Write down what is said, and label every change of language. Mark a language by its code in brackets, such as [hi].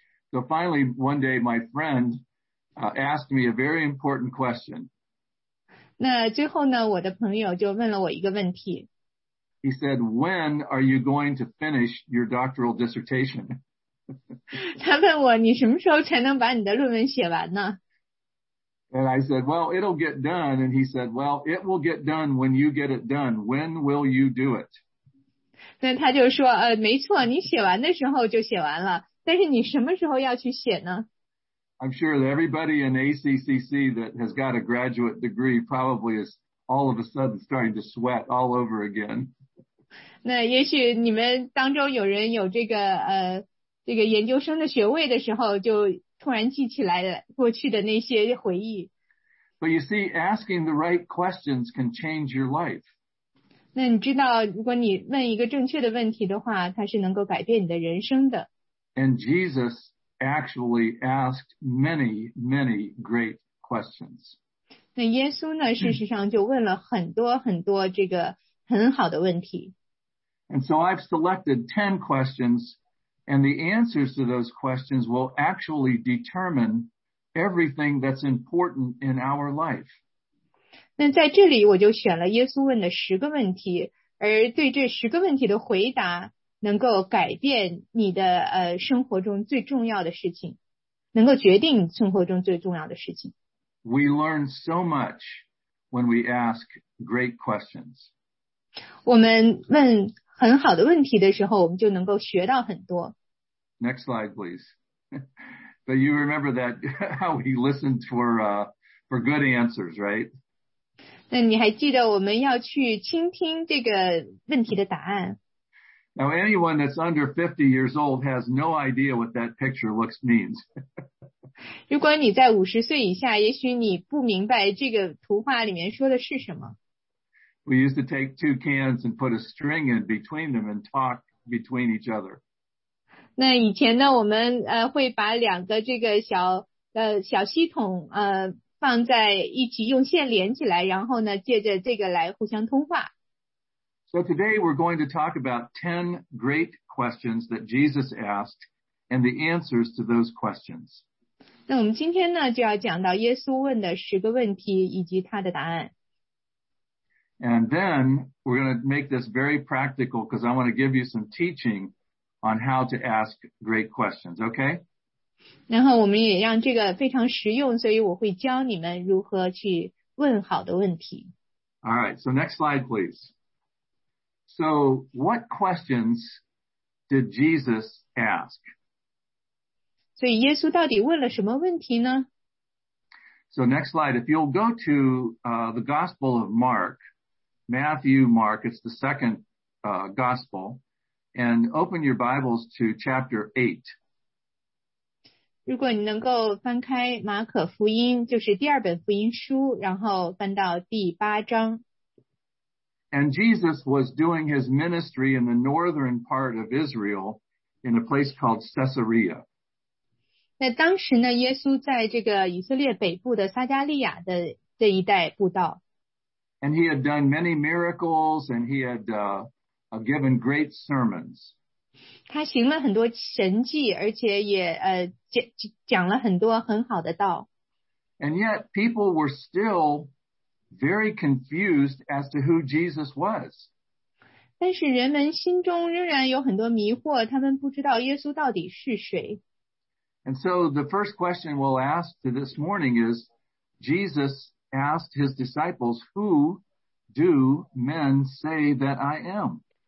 [en] So finally, one day my friend asked me a very important question. [zh] 那最后呢，我的朋友就问了我一个问题。 [en] He said, "When are you going to finish your doctoral dissertation?" [zh] 他问我，你什么时候才能把你的论文写完呢？ [en] And I said, "Well, it'll get done." And he said, "Well, it will get done when you get it done. When will you do it?" [zh] 那他就说，没错，你写完的时候就写完了。但是你什么时候要去写呢？ [en] I'm sure that everybody in ACCC that has got a graduate degree probably is all of a sudden starting to sweat all over again. [zh] 那也许你们当中有人有这个这个研究生的学位的时候，就突然记起来了过去的那些回忆。 [en] But you see, asking the right questions can change your life. [zh] 那你知道，如果你问一个正确的问题的话，它是能够改变你的人生的。 [en] And Jesus actually asked many, many great questions. [zh] 那耶稣呢，事实上就问了很多很多这个很好的问题。 [en] And so I've selected 10 questions, and the answers to those questions will actually determine everything that's important in our life. [zh] 那在这里我就选了耶稣问的十个问题，而对这十个问题的回答能够改变你的生活中最重要的事情，能够决定生活中最重要的事情。 [en] We learn so much when we ask great questions. [zh] 我们问很好的问题的时候，我们就能够学到很多。 [en] Next slide, please. But you remember that how we listened for good answers, right? [zh] 那你还记得我们要去倾听这个问题的答案？ [en] Now, anyone that's under 50 years old has no idea what that picture looks means. [zh] 如果你在50岁以下，也许你不明白这个图画里面说的是什么。 [en] We used to take two cans and put a string in between them and talk between each other. [zh] 那以前呢，我们会把两个这个小小吸筒放在一起，用线连起来，然后呢，借着这个来互相通话。 [en] So today we're going to talk about 10 great questions that Jesus asked and the answers to those questions. [zh] 那我们今天呢，就要讲到耶稣问的十个问题以及他的答案。 [en] And then we're going to make this very practical because I want to give you some teaching on how to ask great questions, okay? [zh] 然后我们也让这个非常实用，所以我会教你们如何去问好的问题。 [en] All right, so next slide, please. So what questions did Jesus ask? [zh] 所以耶稣到底问了什么问题呢？ [en] So next slide, if you'll go to the Gospel of Mark,Matthew, Mark, it's the second gospel, and open your Bibles to chapter 8. [zh] 如果你能够翻开马可福音，就是第二本福音书，然后翻到第八章。 [en] And Jesus was doing his ministry in the northern part of Israel in a place called Caesarea. [zh] 那当时呢，耶稣在这个以色列北部的撒加利亚的这一带布道。 [en] And he had done many miracles, and he had given great sermons. [zh] 他行了很多神迹，而且也讲了很多很好的道。 [en] And yet, people were still very confused as to who Jesus was. [zh] 但是人们心中仍然有很多迷惑，他们不知道耶稣到底是谁。 [en] And so the first question we'll ask this morning is, Jesus asked his disciples, who do men say that I am?